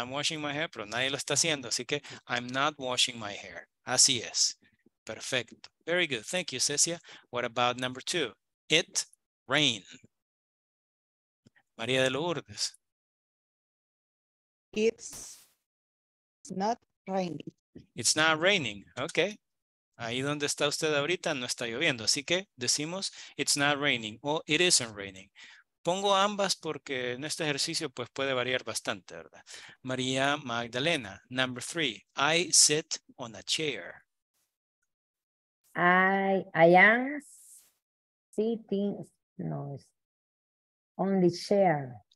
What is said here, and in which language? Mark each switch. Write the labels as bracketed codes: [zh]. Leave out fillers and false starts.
[en] I'm washing my hair, [es] pero nadie lo está haciendo. Así que, [en] I'm not washing my hair. [es] Así es. Perfecto. [en] Very good. Thank you, Cecia. What about number two? It rain. María de Lourdes. It's not raining. It's not raining. Okay. [es] Ahí donde está usted ahorita no está lloviendo. Así que decimos [en] it's not raining o it isn't raining. [es] Pongo ambas porque en este ejercicio pues puede variar bastante, ¿verdad? [en] María Magdalena, number three. I sit on a chair. I am sitting on the chair.